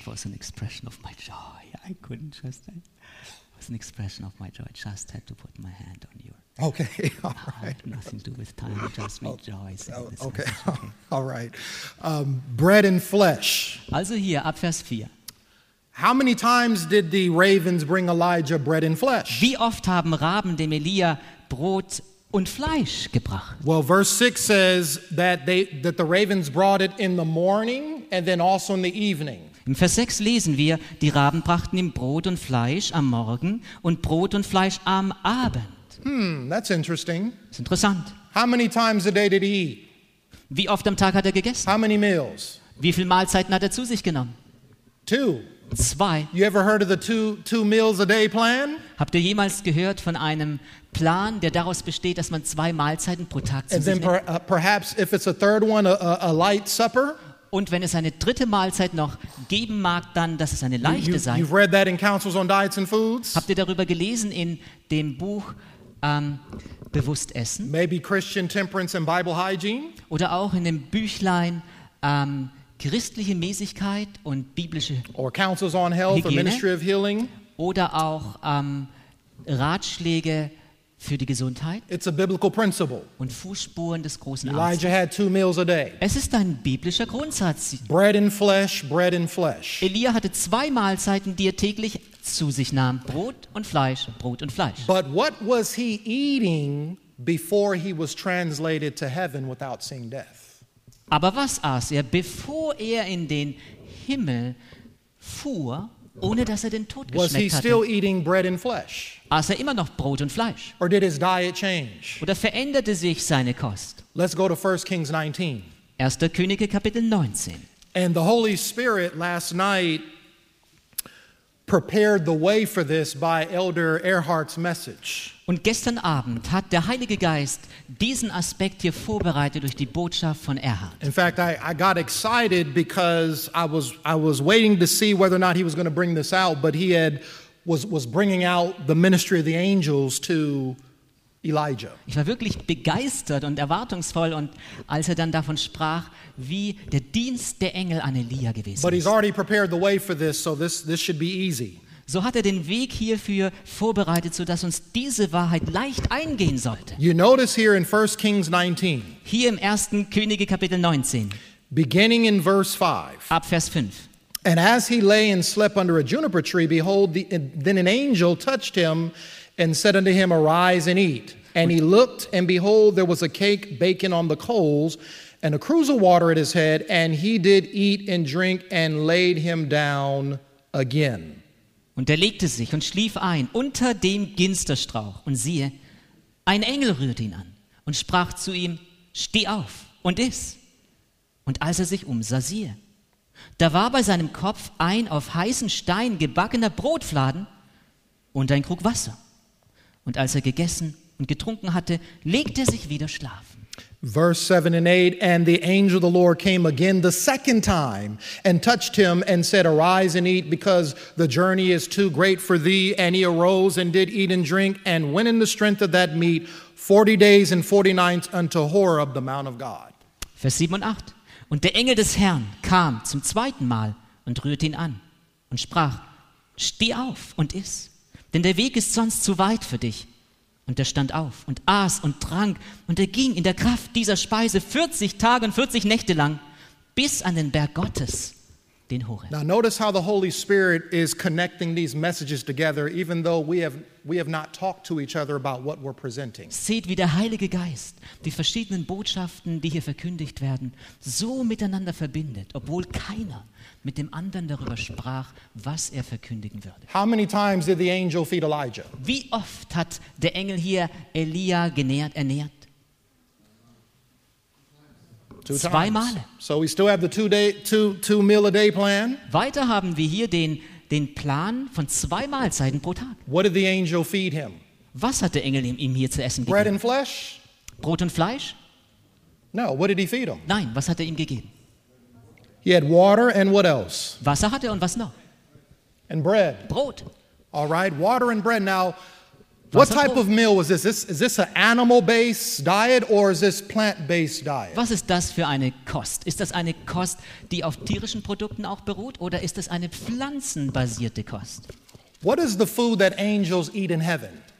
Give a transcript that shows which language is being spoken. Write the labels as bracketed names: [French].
[English] It was an expression of my joy. I couldn't trust it. An expression of my joy. I just had to put my hand on your. Okay, all right. Nothing to do with time. It just made joy. Okay, all right. Bread and flesh. [German] Also hier, ab Vers 4. [English] How many times did the ravens bring Elijah bread and flesh? [German] Wie oft haben Raben dem Elia Brot und Fleisch gebracht? [English] Well, verse 6 says that the ravens brought it in the morning and then also in the evening. [German] Im Vers 6 lesen wir, die Raben brachten ihm Brot und Fleisch am Morgen und Brot und Fleisch am Abend. [English] That's interesting. [German] Das ist interessant. [English] How many times a day did he eat? [German] Wie oft am Tag hat er gegessen? [English] How many meals? [German] Wie viele Mahlzeiten hat er zu sich genommen? [English] Two. [German] Zwei. [English] You ever heard of the two meals a day plan? [German] Habt ihr jemals gehört von einem Plan, der daraus besteht, dass man zwei Mahlzeiten pro Tag zu [English] and [German] sich [English] then [German] nimmt? [English] Perhaps if it's a third one, a light supper? [German] Und wenn es eine dritte Mahlzeit noch geben mag, dann, dass es eine leichte sei. [English] You've read that in Councils on Diets and Foods? [German] Habt ihr darüber gelesen in dem Buch Bewusst Essen? [English] Maybe Christian Temperance and Bible Hygiene? [German] Oder auch in dem Büchlein Christliche Mäßigkeit und biblische [English] or Councils on Health [German] Hygiene? [English] Or Ministry of Healing? [German] Oder auch Ratschläge für die Gesundheit. [English] It's a biblical principle. [German] Und Fußspuren des großen Arztes. [English] Elijah had two meals a day. [German] Es ist ein biblischer Grundsatz. [English] Bread and flesh, bread and flesh. [German] Elia hatte zwei Mahlzeiten, die er täglich zu sich nahm. Brot und Fleisch, Brot und Fleisch. [English] But what was he eating before he was translated to heaven without seeing death? [German] Aber was aß er, bevor er in den Himmel fuhr, ohne dass er den Tod geschmeckt hatte? [English] Was he still [German] hatte? [English] Eating bread and flesh? [German] Aß er immer noch Brot und Fleisch? [English] Or did his diet change? [German] Oder veränderte sich seine Kost? [English] Let's go to 1 Kings 19. [German] 1. Könige Kapitel 19. [English] And the Holy Spirit last night prepared the way for this by Elder Earhart's message. [German] Und gestern Abend hat der Heilige Geist diesen Aspekt hier vorbereitet durch die Botschaft von Earhart. [English] In fact, I got excited because I was waiting to see whether or not he was going to bring this out, but he had was bringing out the ministry of the angels to Elijah. [German] Ich war wirklich begeistert und erwartungsvoll, und als er dann davon sprach, wie der Dienst der Engel an Elia gewesen ist. [English] But he's already prepared the way for this, so this should be easy. [German] So hat er den Weg hierfür vorbereitet, sodass uns diese Wahrheit leicht eingehen sollte. [English] You notice here in 1 Kings 19. [German] Hier im 1. Könige Kapitel 19. [English] Beginning in verse 5. [German] Ab Vers 5. [English] And as he lay and slept under a juniper tree, behold, then an angel touched him and said unto him, arise and eat. And he looked, and behold, there was a cake baking on the coals and a cruse of water at his head, and he did eat and drink and laid him down again. [German] Und er legte sich und schlief ein unter dem Ginsterstrauch. Und siehe, ein Engel rührte ihn an und sprach zu ihm, steh auf und iss. Und als er sich umsah, siehe, da war bei seinem Kopf ein auf heißen Stein gebackener Brotfladen und ein Krug Wasser. Und als er gegessen und getrunken hatte, legte er sich wieder schlafen. [English] Verse 7 and 8, and the angel of the Lord came again the second time and touched him and said, arise and eat, because the journey is too great for thee. And he arose and did eat and drink and went in the strength of that meat 40 days and 40 nights unto Horeb, the mount of God. [German] Vers 7 und 8, und der Engel des Herrn kam zum zweiten Mal und rührte ihn an und sprach, steh auf und iss, denn der Weg ist sonst zu weit für dich. Und er stand auf und aß und trank, und er ging in der Kraft dieser Speise 40 Tage und 40 Nächte lang bis an den Berg Gottes, den Horeb. [English] Now notice how the Holy Spirit is connecting these messages together, even though we have not talked to each other about what we're presenting. [German] Seht, wie der Heilige Geist die verschiedenen Botschaften, die hier verkündigt werden, so miteinander verbindet, obwohl keiner mit dem anderen darüber sprach, was er verkündigen würde. [English] How many times did the angel feed Elijah? [German] Wie oft hat der Engel hier Elia genährt, ernährt? Zweimal. [English] So we still have the two meal a day plan. [German] Weiter haben wir hier den Plan von zwei Mahlzeiten pro Tag. [English] What did the angel feed him? [German] Was hat der Engel ihm hier zu essen gegeben? [English] Bread and flesh? [German] Brot und Fleisch? [English] No, what did he feed him? [German] Nein, was hat er ihm gegeben? [English] He had water and what else? [German] Wasser hat er und was noch? [English] And bread. [German] Brot. [English] All right, water and bread. Now, what type of meal was this? Is this an animal-based diet or is this plant-based diet? [German] Was ist das für eine Kost? Ist das eine Kost, die auf tierischen Produkten auch beruht, oder ist das eine pflanzenbasierte Kost? [English] What is the food that angels eat in heaven?